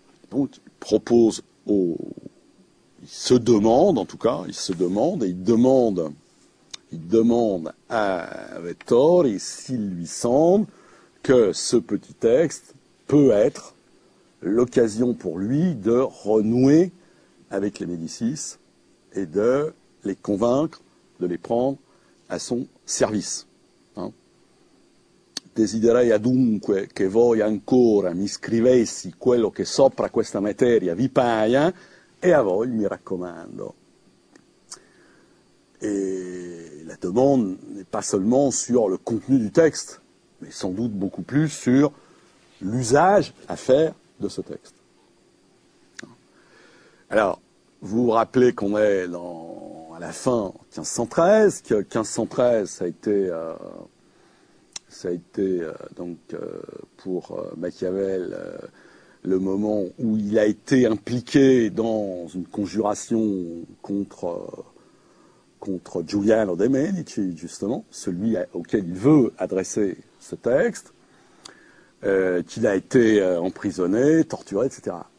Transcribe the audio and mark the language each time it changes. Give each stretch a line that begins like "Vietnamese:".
French: Donc, il se demande, en tout cas, il se demande, et il demande à Vettori s'il lui semble que ce petit texte peut être l'occasion pour lui de renouer avec les Médicis et de les convaincre de les prendre à son service.
Italian: Desiderei adunque che voi ancora mi scrivessi quello che sopra questa materia vi paia e a voi mi raccomando.
French: Et la demande n'est pas seulement sur le contenu du texte, mais sans doute beaucoup plus sur l'usage à faire de ce texte. Alors, vous vous rappelez qu'on est à la fin 1513, que 1513, ça a été donc pour Machiavel le moment où il a été impliqué dans une conjuration contre Giuliano de' Medici, justement, celui auquel il veut adresser ce texte, qu'il a été emprisonné, torturé, etc.